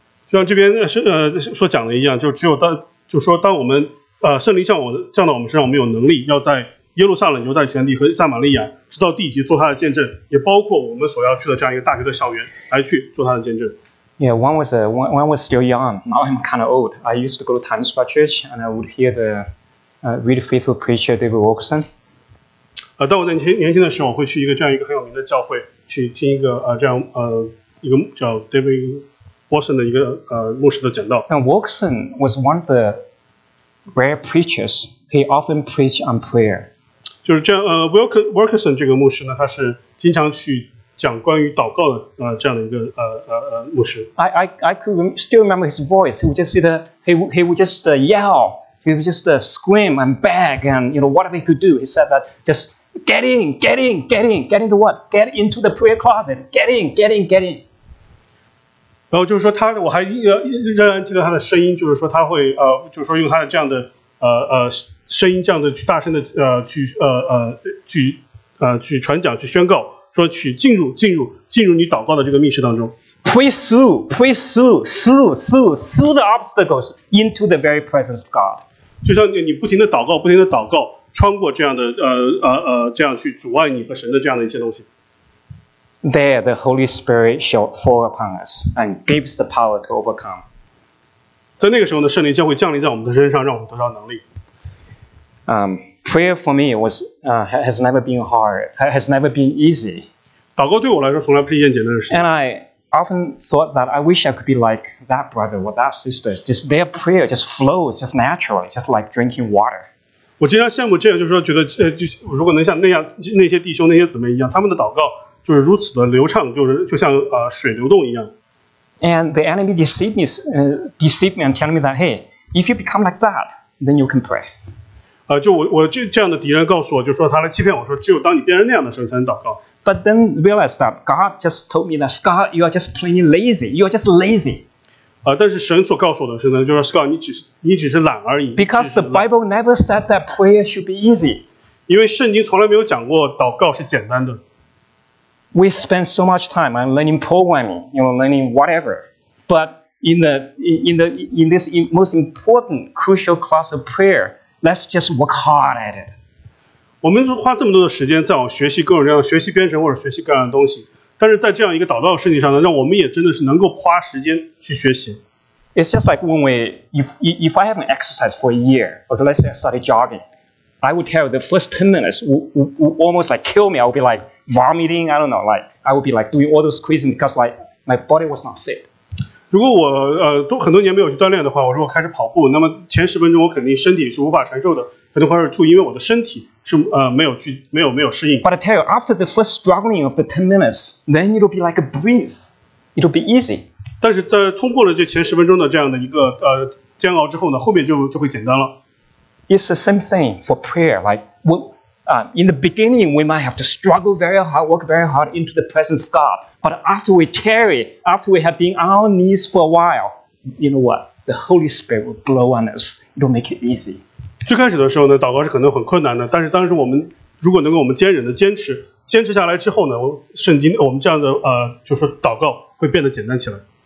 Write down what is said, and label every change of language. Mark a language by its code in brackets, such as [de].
[zh] 就像这边所讲的一样，就只有当就说当我们圣灵降到我们身上，我们有能力要在耶路撒冷、犹太全地和撒玛利亚，直到地极做他的见证，也包括我们所要去的这样一个大学的校园来去做他的见证。 [en] Yeah, when I was still young, now I'm kind of old. I used to go to Times Square Church, and I would hear the really faithful preacher David Wilkerson. [zh] 当我在年轻的时候，我会去一个这样一个很有名的教会，去听一个一个叫 David Wilkerson 的一个牧师的讲道。 [en] And Wilkerson was one of the rare preachers. He often preached on prayer. [zh] 就是这样，Wilkerson 这个牧师呢，他是经常去讲关于祷告的这样的一个牧师。 [en] I could still remember his voice. He would just scream and beg and you know whatever he could do. He said that just get in to what? Get into the prayer closet. Get in. [zh] 然后就是说他，我还仍然记得他的声音，就是说他会就是说用他的这样的声音这样的去大声的去传讲去宣告，说去进入你祷告的这个密室当中。 [en] Pray through the obstacles into the very presence of God. [zh] 就像你不停的祷告，穿过这样的这样去阻碍你和神的这样的一些东西。 [en] There the Holy Spirit shall fall upon us and gives the power to overcome. [zh] 在那个时候呢，圣灵将会降临在我们的身上，让我们得到能力。 [en] Prayer for me has never been hard, has never been easy. [zh] 祷告对我来说从来不是一件简单的事。 [en] And I often thought that I wish I could be like that brother or that sister. Just their prayer just flows just naturally, just like drinking water. [zh] 我经常羡慕这样，就是说觉得就如果能像那些弟兄那些姊妹一样，他们的祷告就是如此的流畅，就是就像水流动一样。 [en] And the enemy deceived me and telling me that hey, if you become like that, then you can pray. [zh] 就我这样的敌人告诉我，就说他来欺骗我说，只有当你变成那样的时候才能祷告。 [en] But then realized that God just told me that Scott, you are just plain lazy. You are just lazy. [zh] 但是神所告诉我的是呢，就是 Scott, 你只是懒而已。 [en] Because the Bible never said that prayer should be easy. [zh] 因为圣经从来没有讲过祷告是简单的。 [en] We spend so much time on learning programming, you know, learning whatever. But in this most important crucial class of prayer, let's just work hard at it. [zh] 我们花这么多的时间在学习各种各样学习编程或者学习各样的东西，但是在这样一个祷告的事情上呢，让我们也真的是能够花时间去学习。 [en] It's just like when if I haven't exercised for a year, or let's say I started jogging, I would tell the first 10 minutes would almost like kill me. I would be like vomiting, I don't know, like I would be like doing all those crazy because like my body was not fit. [zh] 如果我都很多年没有去锻炼的话，我说我开始跑步，那么前十分钟我肯定身体是无法承受的，肯定会吐，因为我的身体是没有适应。 [en] But I tell you, after the first struggling of the 10 minutes, then it'll be like a breeze. It'll be easy. [zh] 但是在通过了这前十分钟的这样的一个煎熬之后呢，后面就会简单了。 [en] It's the same thing for prayer. Like, in the beginning, we might have to struggle very hard, work very hard into the presence of God. But after we tarry, after we have been on our knees for a while, you know what? The Holy Spirit will blow on us. It'll make it easy. [zh] 最开始的时候呢，祷告是可能很困难的。但是当时我们如果能够我们坚忍的坚持下来之后呢，圣经我们这样的就是祷告会变得简单起来。